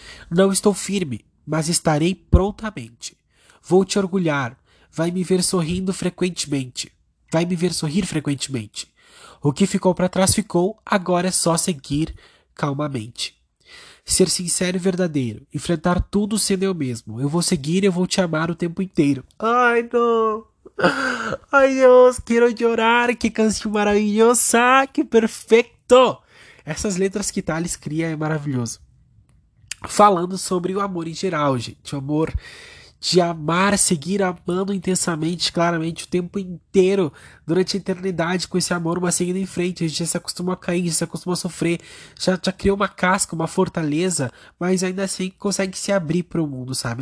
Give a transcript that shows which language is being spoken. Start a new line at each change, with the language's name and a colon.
Portuguese: Não estou firme, mas estarei prontamente. Vou te orgulhar, vai me ver sorrindo frequentemente. Vai me ver sorrir frequentemente. O que ficou para trás ficou, agora é só seguir calmamente. Ser sincero e verdadeiro, enfrentar tudo sendo eu mesmo. Eu vou seguir e eu vou te amar o tempo inteiro. Ai, não!
Spanish: Ay Dios, quiero llorar, qué canción maravillosa, qué perfecto.
Portuguese: Essas letras que Thales cria é maravilhoso. Falando sobre o amor em geral, gente, o amor de amar, seguir amando intensamente, claramente, o tempo inteiro, durante a eternidade, com esse amor, mas seguindo em frente. A gente já se acostuma a cair, já se acostuma a sofrer, já criou uma casca, uma fortaleza, mas ainda assim consegue se abrir para o mundo, sabe?